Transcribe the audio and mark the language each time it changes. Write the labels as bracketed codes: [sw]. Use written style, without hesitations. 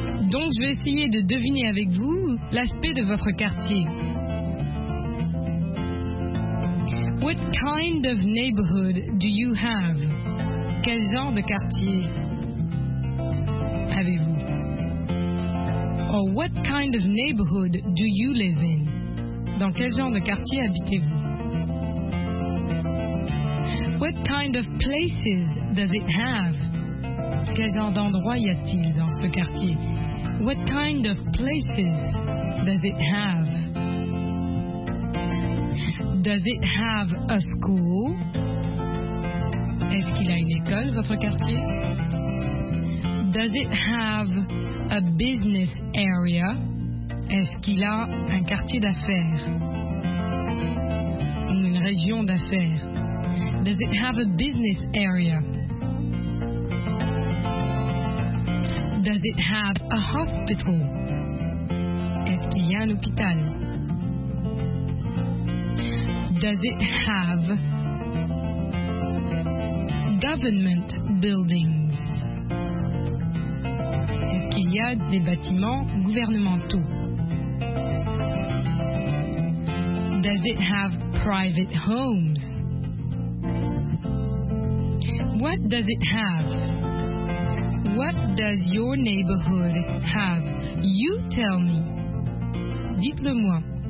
[fr] Donc, je vais essayer de deviner avec vous l'aspect de votre quartier. [en] What kind of neighborhood do you have? [fr] Quel genre de quartier avez-vous? [en] Or what kind of neighborhood do you live in? [fr] Dans quel genre de quartier habitez-vous? [en] What kind of places does it have? [fr] Quel genre d'endroit y a-t-il dans ce quartier? [en] What kind of places does it have? Does it have a school? [fr] Est-ce qu'il a une école, votre quartier? [en] Does it have a business area? [fr] Est-ce qu'il a un quartier d'affaires? Ou une région d'affaires? [en] Does it have a business area? Does it have a hospital? [fr] Est-ce qu'il y a un hôpital? [en] Does it have government buildings? [fr] Qu'il y a des bâtiments gouvernementaux. [en] Does it have private homes? What does it have? What does your neighborhood have? You tell me. [fr] Dites-le-moi.